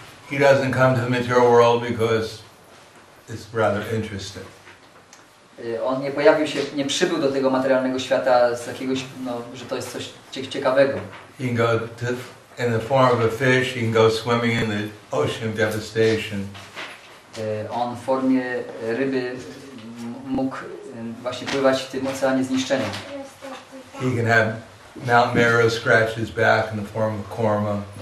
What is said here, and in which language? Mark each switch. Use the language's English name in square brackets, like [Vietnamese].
[English] He doesn't come to the material world because it's rather interesting. [Polish] On nie pojawił się, nie przybył do tego materialnego świata z jakiegoś, no, że to jest coś ciekawego. [English] He can go to, in the form of a fish, he can go swimming in the ocean of devastation. [Polish] On w formie ryby mógł właśnie pływać w tym oceanie zniszczenia. [English] He can have Mount Meru scratch his back in the form of korma.